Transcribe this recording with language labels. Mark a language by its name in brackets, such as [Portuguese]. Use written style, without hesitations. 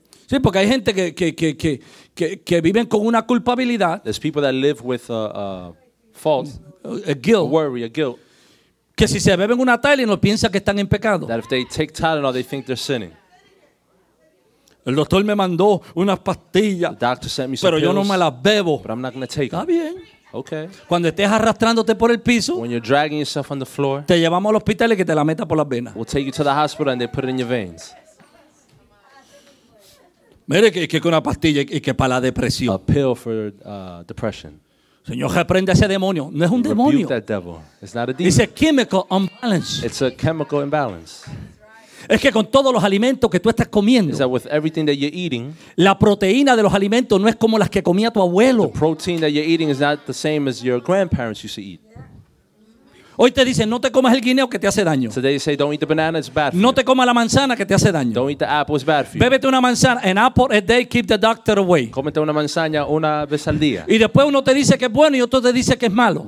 [Spanish] Sí, porque hay gente que viven con una culpabilidad. [English] There's people that live with a fault, a guilt, a worry, a guilt. [Spanish] Que si se beben una Tylenol piensa que están en pecado. [English] That if they take Tylenol, they think they're sinning. [Spanish] El doctor me mandó unas pastillas. [English] The doctor sent me some [Spanish] pero [English] pills, [Spanish] yo no me las bebo. [English] But I'm not gonna take [Spanish] them. Está bien. [English] Okay. [Spanish] Cuando estés arrastrándote por el piso, [English] when you're dragging yourself on the floor, [Spanish] te llevamos al hospital y que te la meta por las venas. [English] We'll take you to the hospital and they put it in your veins. [Spanish] Mire que es una pastilla y que para la depresión. [English] A pill for depression. [Spanish] Señor, reprende ese demonio. No es un demonio. [English] Rebuke that devil. It's not a demon. It's a chemical imbalance. It's a chemical imbalance. [Spanish] Es que con todos los alimentos que tú estás comiendo, [English] is that with everything that you're eating, [Spanish] la proteína de los alimentos no es como las que comía tu abuelo. [English] The protein that you're eating is not the same as your grandparents used to eat. [Spanish] Hoy te dicen, no te comas el guineo que te hace daño. [English] Today they say, don't eat the banana, it's bad for [Spanish] no [English] you. [Spanish] Te comas la manzana que te hace daño. [English] Don't eat the apple, it's bad for you. [Spanish] Bébete una manzana. [English] An apple a day, keep the doctor away. [Spanish] Cómete una manzana una vez al día. Y después uno te dice que es bueno y otro te dice que es malo.